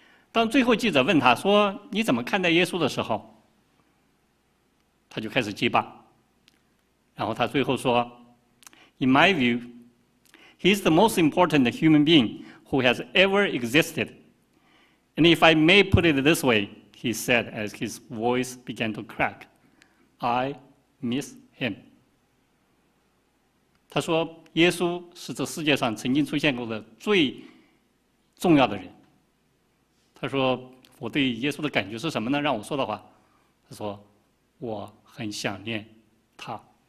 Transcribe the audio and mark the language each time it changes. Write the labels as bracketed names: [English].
[Chinese] 当最后记者问他说你怎么看待耶稣的时候，他就开始结巴，然后他最后说 [English] In my view, he is the most important human being who has ever existed. And if I may put it this way, he said as his voice began to crack, I miss him. [Chinese] 他说耶稣是这世界上曾经出现过的最重要的人。他说我对耶稣的感觉是什么呢？让我说的话，他说我很想念他。